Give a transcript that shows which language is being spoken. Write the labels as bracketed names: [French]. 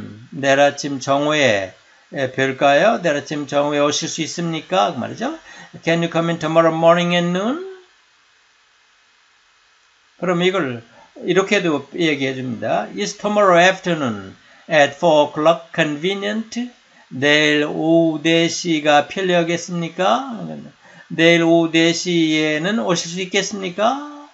[Korean] 내일 아침 정오에 예, 별까요? 내일 아침 정오에 오실 수 있습니까? 그 말이죠. [English] Can you come in tomorrow morning at noon? [Korean] 그럼 이걸 이렇게도 얘기해 줍니다. [English] Is tomorrow afternoon at 4 o'clock convenient? [Korean] 내일 오후 4시가 편리하겠습니까? 내일 오후 4시에는 오실 수 있겠습니까?